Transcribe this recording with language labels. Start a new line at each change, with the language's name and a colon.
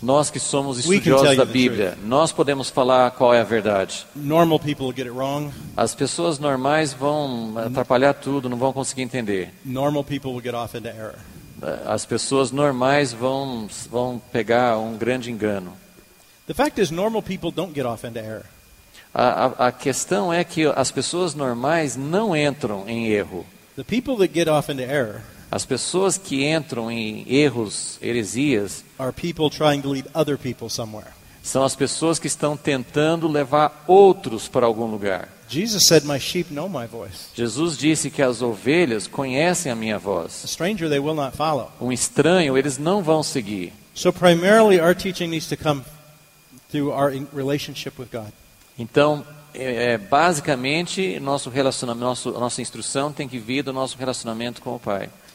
Portuguese: Nós que somos estudiosos da Bíblia. Nós podemos falar qual é a verdade.
English: Normal people will get it wrong.
Portuguese: As pessoas normais vão atrapalhar tudo, não vão conseguir entender.
English: Normal people will get off into error.
Portuguese: As pessoas normais vão pegar um grande engano.
English: The fact is, normal people don't get off into error.
Portuguese: A questão é que as pessoas normais não entram em erro.
English: The people that get off into error,
Portuguese: as pessoas que entram em erros, heresias,
English: are people trying to lead other people somewhere.
Portuguese: São as pessoas que estão tentando levar outros para algum lugar.
English: Jesus said, "My sheep know my voice."
Portuguese: Jesus disse que as ovelhas conhecem a minha voz.
English: A stranger, they will not follow.
Portuguese: Um estranho, eles não vão seguir.
English: So primarily, our teaching needs to come through our relationship with God.
Portuguese: Então, basicamente, nossa instrução tem que vir do nosso relacionamento com o Pai.